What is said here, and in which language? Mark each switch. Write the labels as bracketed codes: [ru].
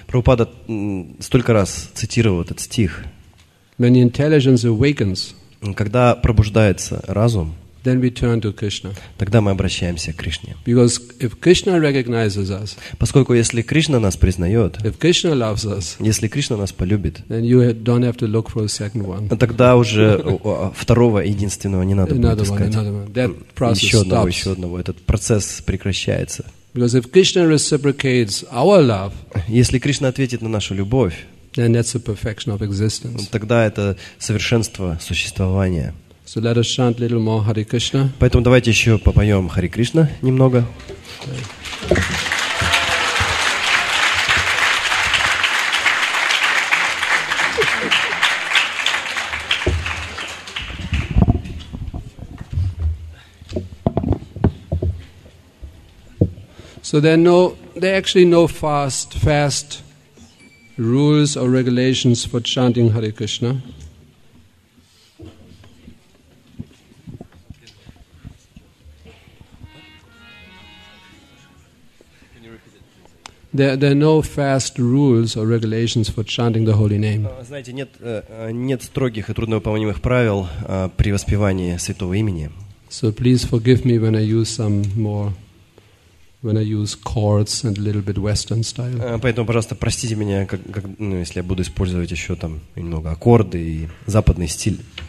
[ru] Prabhupada столько раз цитировал этот стих. [en] When intelligence awakens, [ru] когда пробуждается разум, [en] then we turn to Krishna. [ru] Тогда мы обращаемся к Кришне. [en] Because if Krishna recognizes us, [ru] поскольку если Кришна нас признает, [en] if Krishna loves us, [ru] если Кришна нас полюбит, [en] then you don't have to look for a second one. [ru] Тогда уже второго единственного не надо будет искать. Еще одного. Этот процесс прекращается. [en] Because if Krishna reciprocates our love, [ru] если Кришна ответит на нашу любовь, [en] then that's the perfection of existence. [ru] Тогда это совершенство существования. [en] So let us chant a little more Hare Krishna. [ru] Поэтому давайте еще попоем Хари Кришна немного. [en] So there are actually no fast rules or regulations for chanting Hare Krishna. There are no fast rules or regulations for chanting the holy name. [ru] Знаете, нет строгих и трудновыполнимых правил при воспевании святого имени. [en] So please forgive me when I use chords and a little bit Western style. [ru] Поэтому, пожалуйста, простите меня, если я буду использовать еще там немного аккорды и западный стиль.